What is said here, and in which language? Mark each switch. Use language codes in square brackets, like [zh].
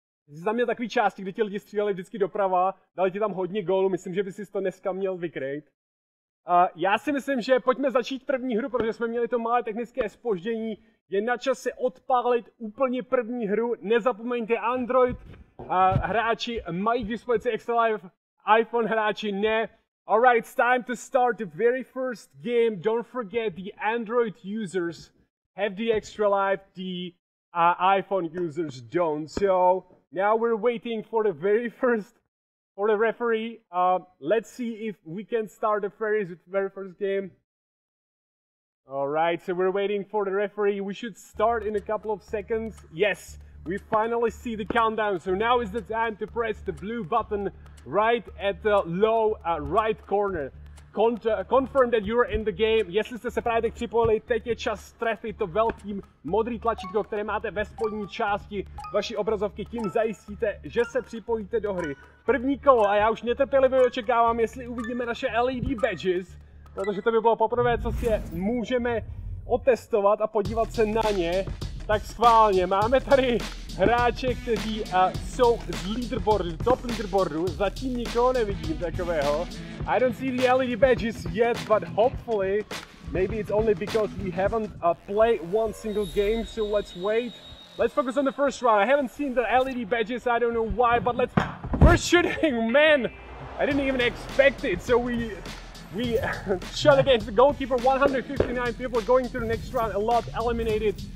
[cs] Jsi za mě takový části, kdy ti lidi střídali vždycky doprava, dali ti tam hodně gólu, myslím, že bys si to dneska měl vykrejt. Já si myslím, že pojďme začít první hru, protože jsme měli to malé technické zpoždění. Je na čase odpálit úplně první hru, nezapomeňte Android hráči mají k dispozici Extra Life, iPhone hráči ne. [en] Alright, it's time to start the very first game, don't forget the Android users have the Extra Life, the iPhone users don't. So, now we're waiting for the very first, for the referee. Let's see if we can start the very first game. Alright, so we're waiting for the referee. We should start in a couple of seconds. Yes, we finally see the countdown. So now is the time to press the blue button right at the low right corner. Confirm that you're in the game. [cs] Jestli jste se právě tak připojili, teď je čas trefit to velký modrý tlačítko, které máte ve spodní části vaší obrazovky. Tím zajistíte, že se připojíte do hry. První kolo a já už netrpělivě očekávám, jestli uvidíme naše LED badges. Protože to by bylo poprvé, co si je můžeme otestovat a podívat se na ně. Tak schválně, máme tady hráče, kteří jsou z leaderboardu, top leaderboardu. Zatím nikoho nevidím takového. [en] I don't see the LED badges yet, but hopefully, maybe it's only because we haven't played one single game, so let's wait. Let's focus on the first round. I haven't seen the LED badges, I don't know why, but let's... First shooting, man! I didn't even expect it, so we shot against the goalkeeper, 159 people going to the next round, a lot eliminated.